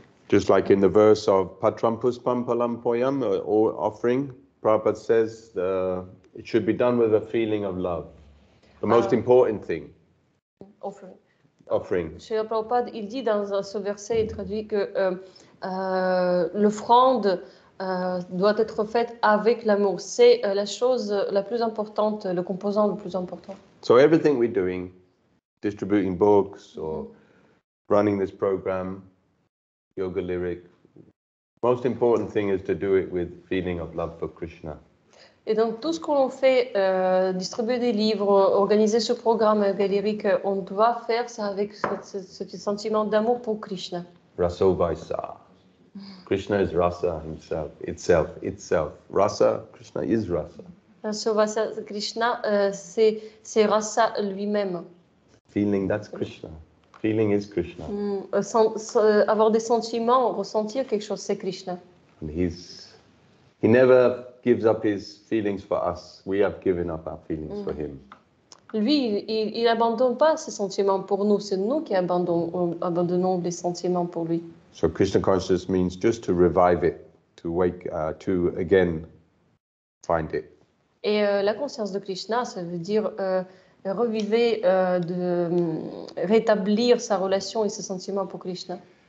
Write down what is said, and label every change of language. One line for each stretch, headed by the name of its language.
English: Just like in the verse of Patram Puspam Palam Poyam, or offering, Prabhupada says it should be done with a feeling of love. The most important thing. Offering. Offering.
French: Sri Prabhupada, il dit dans ce verset, il traduit que l'offrande doit être faite avec l'amour. C'est la chose la plus importante, le composant le plus important.
English: So everything we're doing, distributing books or running this program, yoga lyric. Most important thing is to do it with feeling of love for Krishna.
French: Et donc tout ce qu'on fait, distribuer des livres, organiser ce programme yoga lyrique, on doit faire ça avec ce sentiment d'amour pour Krishna.
English: Rasa vaisa. Krishna is rasa himself, itself. Rasa, Krishna is rasa.
French: Rasa vaisa, Krishna, c'est rasa lui-même.
English: Feeling, that's Krishna. Feeling is Krishna.
French: Avoir des sentiments, ressentir quelque chose, c'est Krishna.
English: And he never gives up his feelings for us. We have given up our feelings for him.
French: Lui, il abandonne pas ses sentiments pour nous. C'est nous qui abandonnons les sentiments pour lui.
English: So Krishna consciousness means just to revive it, to wake, to again find it.
French: Et la conscience de Krishna, ça veut dire reviver, de rétablir sa relation et ses sentiments pour Krishna.